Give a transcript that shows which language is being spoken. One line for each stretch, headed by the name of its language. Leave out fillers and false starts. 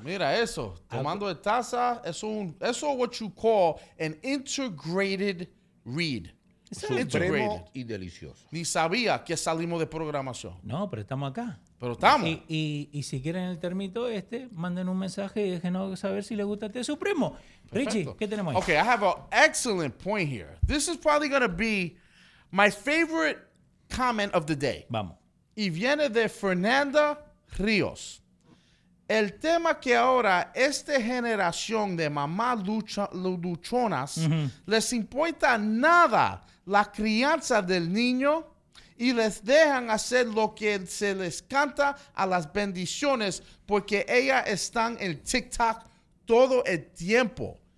Spanish: Mira eso. Tomando de taza. Eso es
English: what you call an integrated read.
Spanish: Supremo y delicioso. Ni sabía que salimos de programación. No, pero estamos acá. Pero estamos. Y si quieren el termito este, manden un mensaje y déjenos saber si les gusta este supremo. Perfecto. Richie, ¿qué tenemos ahí?
English: Okay, I have an excellent point here. This is probably going to be my favorite comment of the day.
Spanish: Vamos. Y viene de Fernanda Ríos. El tema que ahora esta generación de mamás luchonas mm-hmm. les importa nada la crianza del niño y les dejan hacer lo que se les canta a las bendiciones porque ellas están en TikTok todo el tiempo.